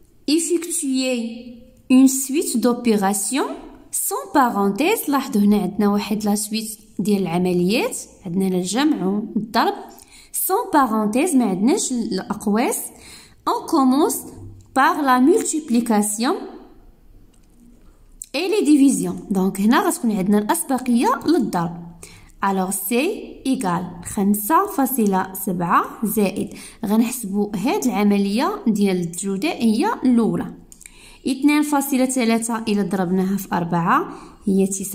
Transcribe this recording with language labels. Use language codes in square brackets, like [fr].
[fr] effectuer une suite d'opération sans parenthèse [ar] لاحظوا هنا عندنا واحد لا سويت ديال العمليات عندنا الجمع والضرب [fr] sans parenthèse [ar] ما عندناش الأقواس [fr] on commence par la multiplication et les divisions. [ar] Donc, هنا غتكون عندنا الأسبقية للضرب. [fr] Alors, C égale 5.7 زائد. [ar] غنحسبو هاد العملية ديال الجودة هي الأولى. 2.3 إلى ضربناها في 4 هي 9.2.